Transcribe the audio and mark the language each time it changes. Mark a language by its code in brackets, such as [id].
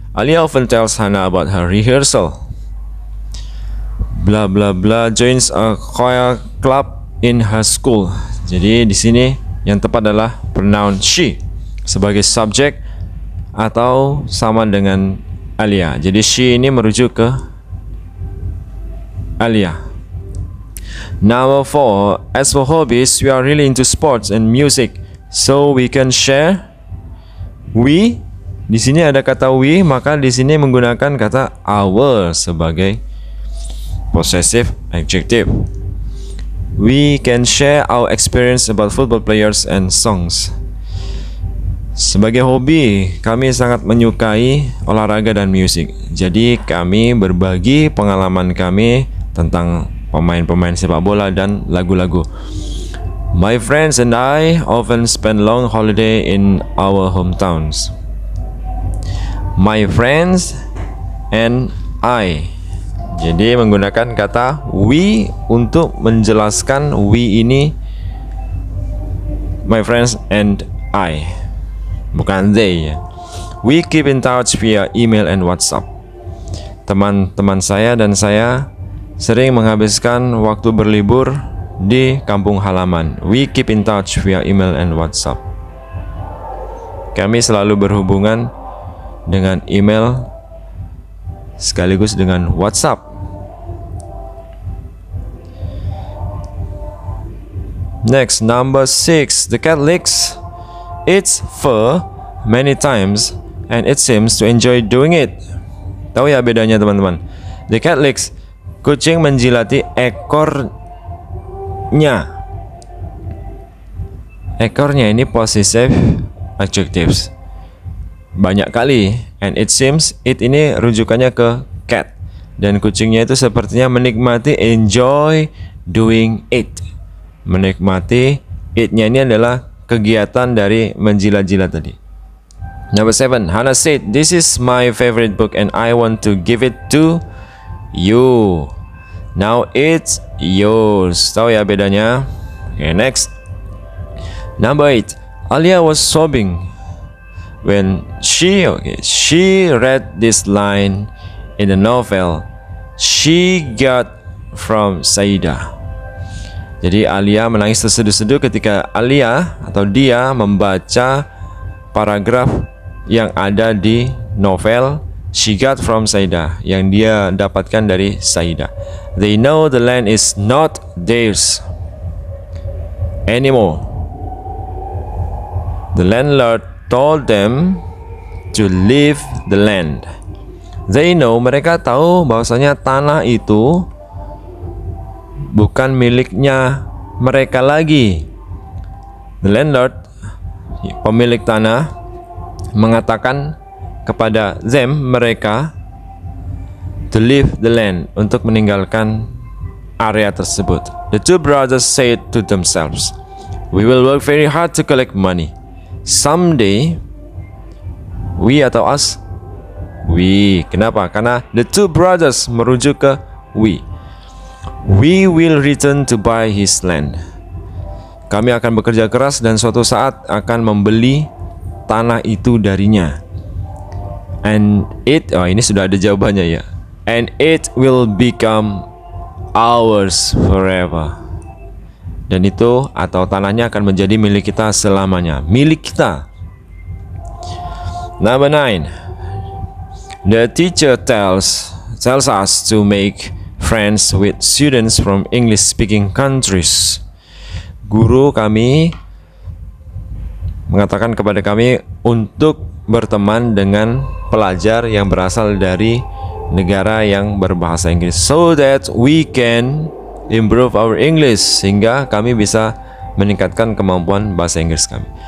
[en] Alia often tells Hannah about her rehearsal. Blah blah blah, joins a choir club in her school. [id] Jadi di sini yang tepat adalah pronoun she sebagai subject atau sama dengan Alia. Jadi she ini merujuk ke Alia. [en] Number 4. As for hobbies, we are really into sports and music, so we can share. [id] We, di sini ada kata we, maka di sini menggunakan kata our sebagai possessive adjective. [en] We can share our experience about football players and songs. [id] Sebagai hobi, kami sangat menyukai olahraga dan musik. Jadi kami berbagi pengalaman kami tentang pemain-pemain sepak bola dan lagu-lagu. [en] My friends and I often spend long holiday in our hometowns. My friends and I. [id] Jadi menggunakan kata we untuk menjelaskan we ini, my friends and I, bukan they ya. [en] We keep in touch via email and WhatsApp. [id] Teman-teman saya dan saya sering menghabiskan waktu berlibur di kampung halaman. [en] We keep in touch via email and WhatsApp. [id] Kami selalu berhubungan dengan email sekaligus dengan WhatsApp. [en] Next, number 6, the cat licks its fur many times and it seems to enjoy doing it. [id] Tahu ya bedanya teman-teman? [en] The cat licks, [id] kucing menjilati ekornya. Ekornya ini possessive adjectives. Banyak kali, [en] and it seems, [id] it ini rujukannya ke cat. Dan kucingnya itu sepertinya menikmati, [en] enjoy doing it. [id] Menikmati, itnya ini adalah kegiatan dari menjilat-jilat tadi. [en] Number 7, Hannah said, this is my favorite book and I want to give it to you. Now it's yours. [id] Tahu ya bedanya? [en] Okay, next. Number 8, Alia was sobbing when she read this line in the novel she got from Saida. [id] Jadi Alia menangis terseduh-seduh ketika Alia atau dia membaca paragraf yang ada di novel [en] she got from Saida, [id] yang dia dapatkan dari Saida. [en] They know the land is not theirs anymore. The landlord told them to leave the land. They know, [id] mereka tahu bahwasanya tanah itu bukan miliknya mereka lagi. [en] The landlord, [id] pemilik tanah, mengatakan kepada them, mereka, [en] to leave the land, [id] untuk meninggalkan area tersebut. [en] The two brothers said to themselves, we will work very hard to collect money. Someday, we atau us, we. Kenapa? [id] Karena [en] the two brothers [id] merujuk ke [en] we. We will return to buy his land. [id] Kami akan bekerja keras dan suatu saat akan membeli tanah itu darinya. [en] And it, [id] oh ini sudah ada jawabannya ya. [en] And it will become ours forever. [id] Dan itu atau tanahnya akan menjadi milik kita selamanya. Milik kita. [en] Number 9. The teacher tells us to make friends with students from English speaking countries. [id] Guru kami mengatakan kepada kami untuk berteman dengan pelajar yang berasal dari negara yang berbahasa Inggris. [en] So that we can improve our English, [id] sehingga kami bisa meningkatkan kemampuan bahasa Inggris kami.